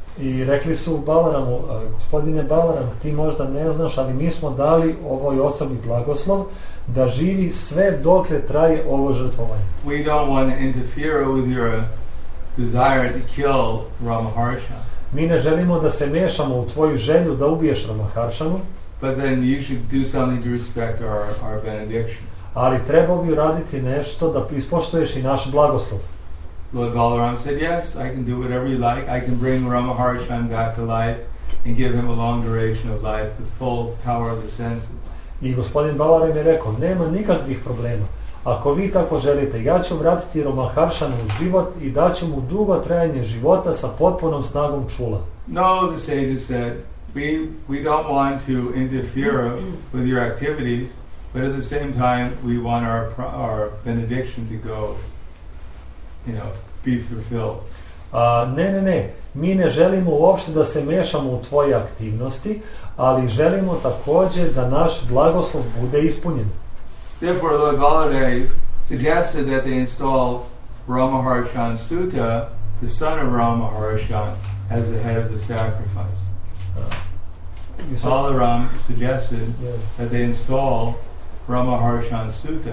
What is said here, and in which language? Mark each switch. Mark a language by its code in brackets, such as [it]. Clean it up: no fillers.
[sr] I rekli su Balaramu, gospodine Balaram, ti možda ne znaš, ali mi smo dali ovoj osobi blagoslov da živi sve dokle traje ovo žrtvovanje. [en] We don't want to interfere with your desire to kill Ramaharsha. [sr] Mi ne želimo da se mešamo u tvoju želju da ubiješ Ramaharshanu. [en] But then you should do something to respect our benediction. [sr] Ali trebao bi uraditi nešto da ispoštuješ i naš blagoslov. [en] Lord Balaram said, yes, I can do whatever you like. I can bring Ramaharshan back to life and give him a long duration of life with full power of the senses. [sr] I gospodin Balaram je rekao, nema nikakvih problema. Ako vi tako želite, ja ću vratiti Ramaharshanu u život i daću mu dugo trajanje života sa potpunom snagom čula. [en] No, the sages said, we don't want to interfere with your activities, but at the same time we want our benediction to go, you know, be fulfilled. [sr] Ne, mi ne želimo uopšte da se mešamo u tvoje aktivnosti, ali želimo takođe da naš blagoslov bude ispunjen. [en] Therefore, Lord Baladev suggested that they install Ramaharshan Sutta, the son of Ramaharshan, as the head of the sacrifice. Balaram suggested that they install Ramaharshan Sutta.